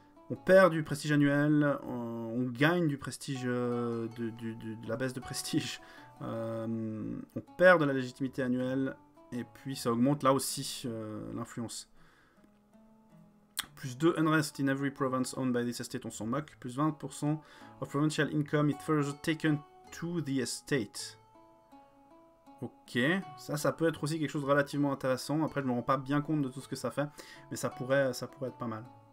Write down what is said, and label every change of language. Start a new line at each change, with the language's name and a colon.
French: On perd du prestige annuel, on gagne du prestige, de la baisse de prestige, on perd de la légitimité annuelle, et puis ça augmente là aussi l'influence.
English: Plus 2 unrest in every province owned by this estate,
French: on s'en moque.
English: Plus 20% of provincial income is further taken to the estate.
French: Ok, ça peut être aussi quelque chose de relativement intéressant. Après, je me rends pas bien compte de tout ce que ça fait, mais ça pourrait être pas mal.